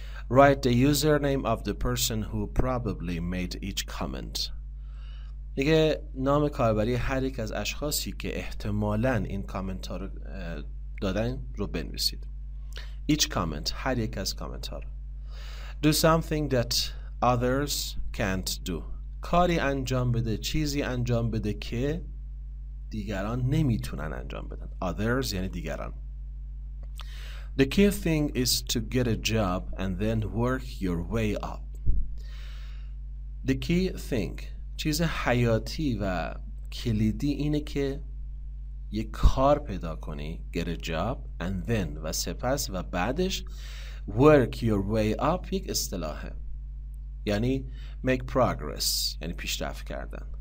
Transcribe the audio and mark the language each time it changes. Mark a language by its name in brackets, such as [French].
[English] Write the username of the person who probably made each comment. [Persian] دیگه نام کاربری هر یک از اشخاصی که احتمالاً این کامنت ها رو دادن رو بنویسید. [English] Each comment، [Persian] هر یک از کامنت ها رو. [English] Do something that others can't do. [Persian] کاری انجام بده، چیزی انجام بده که دیگران نمیتونن انجام بدن. Others یعنی دیگران. [English] The key thing is to get a job and then work your way up. The key thing، [Persian] چیز حیاتی و کلیدی اینه که یک کار پیدا کنی، [English] get a job and then، [Persian] و سپس و بعدش [English] work your way up [Persian] یک اصطلاحه، یعنی [English] make progress [Persian] یعنی پیشرفت کردن.